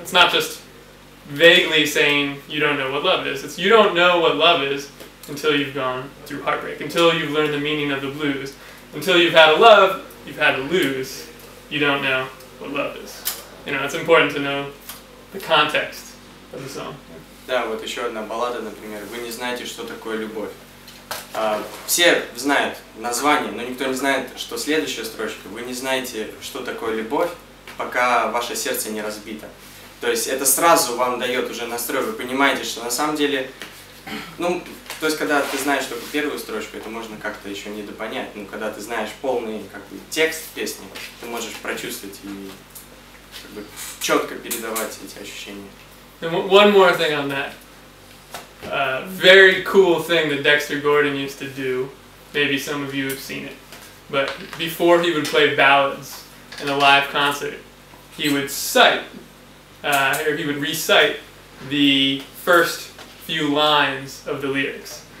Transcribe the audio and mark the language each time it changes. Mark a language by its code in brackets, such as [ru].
[en] It's not just vaguely saying you don't know what love is. It's you don't know what love is until you've gone through heartbreak, until you've learned the meaning of the blues. Until you've had a love, you've had to lose. You don't know what love is. You know, it's important to know the context of the song. [ru] Да, вот еще одна баллада, например, «Вы не знаете, что такое любовь». Все знают название, но никто не знает, что следующая строчка. «Вы не знаете, что такое любовь, пока ваше сердце не разбито». То есть это сразу вам дает уже настрой. Вы понимаете, что на самом деле... Ну, то есть когда ты знаешь только первую строчку, это можно как-то еще недопонять. Но когда ты знаешь полный как бы, текст песни, ты можешь прочувствовать и как бы, четко передавать эти ощущения. [en] And one more thing on that. Very cool thing that Dexter Gordon used to do. Maybe some of you have seen it. But before he would play ballads in a live concert, he would recite the first few lines of the lyrics.